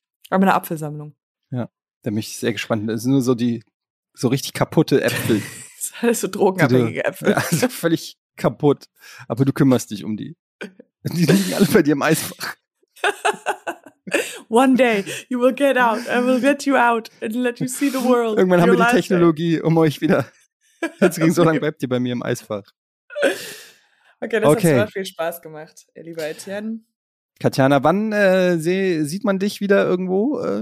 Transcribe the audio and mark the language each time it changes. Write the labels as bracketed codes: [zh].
[de] Aber eine Apfelsammlung. Ja, da bin ich sehr gespannt. Das sind nur so die so richtig kaputte Äpfel. Das sind alles so drogenabhängige Äpfel. Ja, also völlig kaputt. Aber du kümmerst dich um die. Die liegen alle bei dir im Eisfach. [en] One day you will get out. I will get you out and let you see the world. [de] Irgendwann haben wir die Technologie, um euch wieder. Jetzt ging so lange, bleibt ihr bei mir im Eisfach. Okay, das hat zwar viel Spaß gemacht, lieber Etienne. Katjana, wann sieht man dich wieder irgendwo?